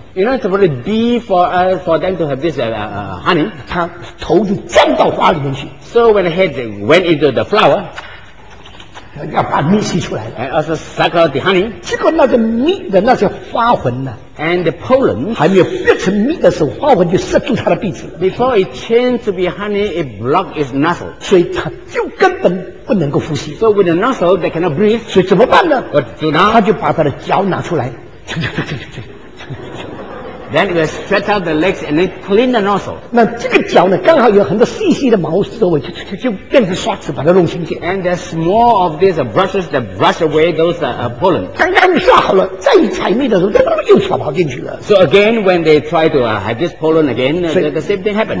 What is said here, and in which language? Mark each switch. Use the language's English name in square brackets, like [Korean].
[English] you know, it's for the bee for them to have this honey. [Chinese] 它头就钻到花里面去。 [English] So when the head went into the flower, [Chinese] 要把蜜吸出来。 [English] And also suck out the honey. [Chinese] 结果那个蜜的那些花魂呢？ [English] And the pollen [Chinese] 还没有变成蜜的时候，花粉就塞住它的鼻子。 [English] Before it changed to be honey, it blocked its nostril. [Chinese] 所以它就根本不能够呼吸。 [English] So with the nostril, they cannot breathe. [Chinese] 所以怎么办呢？ [English] What to do now? [Chinese] 它就把它的脚拿出来。 [English] Then it will stretch out the legs and then clean the nostril. [Chinese] 那这个脚呢，刚好有很多细细的毛刺，我就变成刷子把它弄清洁。 [English] And there's more of these brushes that brush away those pollen. [Chinese] 刚刚刷好了，再采蜜的时候，又跑跑进去了。 [English] So again, when they try to have this pollen again, the same thing happened.